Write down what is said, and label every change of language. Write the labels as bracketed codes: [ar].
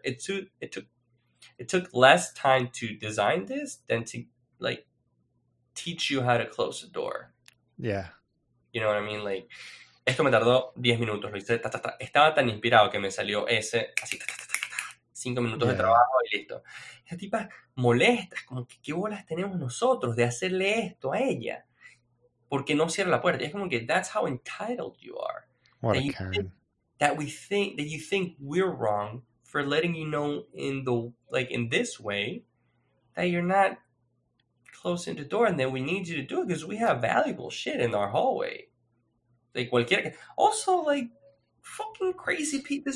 [en] It took less time to design this than to, like, teach you how to close the door. Yeah. You know what I mean? [es] Like, esto me tardó 10 minutos. Lo hice, estaba tan inspirado que me salió ese, así, 5 minutos yeah. de trabajo y listo. Esa tipa molesta, como que qué bolas tenemos nosotros de hacerle esto a ella. Porque no cierra la puerta. Y es como que [en] that's how entitled you are. What that a Karen. That you think we're wrong for letting you know in this way that you're not close in the door and that we need you to do it because we have valuable shit in our hallway. Like, [es] cualquier... [en] Also, like, fucking crazy people.